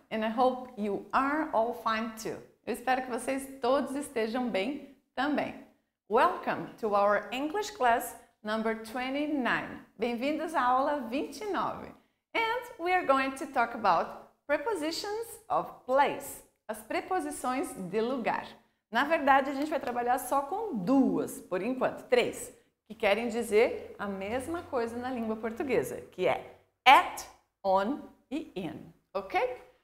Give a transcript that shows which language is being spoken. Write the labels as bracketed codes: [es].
[en] And I hope you are all fine too. [pt] Eu espero que vocês todos estejam bem também. [en] Welcome to our English class number 29. [pt] Bem-vindos à aula 29. [en] And we are going to talk about prepositions of place. [pt] As preposições de lugar. Na verdade, a gente vai trabalhar só com duas, por enquanto, três, que querem dizer a mesma coisa na língua portuguesa, que é at, on e in, ok?